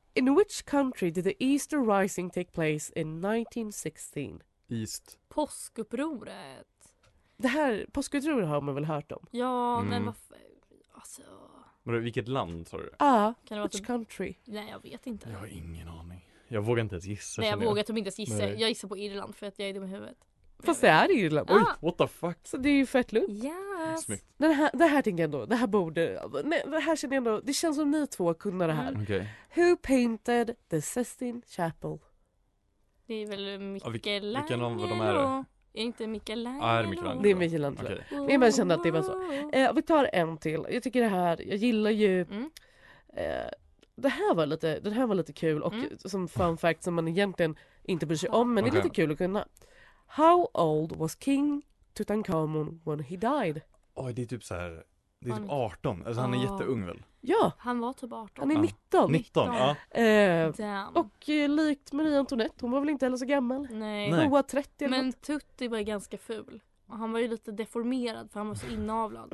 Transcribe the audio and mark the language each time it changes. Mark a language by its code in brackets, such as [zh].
[en] In which country did the Easter Rising take place in 1916? East. [sv] Påskupproret. Det här, påskupproret har man väl hört om? Ja, men varför? Alltså... Vilket land, sa du? [en] Ja, which country? [sv] Nej, jag vet inte. Jag har ingen aning. Jag vågar inte ens gissa. Nej, jag vågar inte ens gissa. Jag gissar på Irland för att jag är dum i huvudet. Fast det är Irland. Ah. Oj, [en] what the fuck? [sv] Så det är ju fett lugnt. Ja. Yeah. Snyggt. Det här tänker jag ändå, det här borde, nej, det här känner jag ändå, det känns som ni två kunde det här. Mm. Okay. [en] Who painted the Sistine Chapel? [sv] Det är väl Michelangelo? Vilken av dem är det? Är inte Michelangelo? Det är Michelangelo. Okay. Men jag kände att det var så. Vi tar en till. Jag tycker det här, jag gillar ju det här var lite kul och som fun fact som man egentligen inte bryr sig om, men det är lite kul att kunna. [en] How old was King Tutankhamun when he died? [sv] Oj, det är typ så här, det är typ 18. Alltså han är jätteung väl? Ja. Han var typ 18. Han är 19. 19, ja. Och likt Marie Antoinette, hon var väl inte heller så gammal? Nej. Hon var 30. Men Tutti var ju ganska ful. Han var ju lite deformerad för han var så inavlad.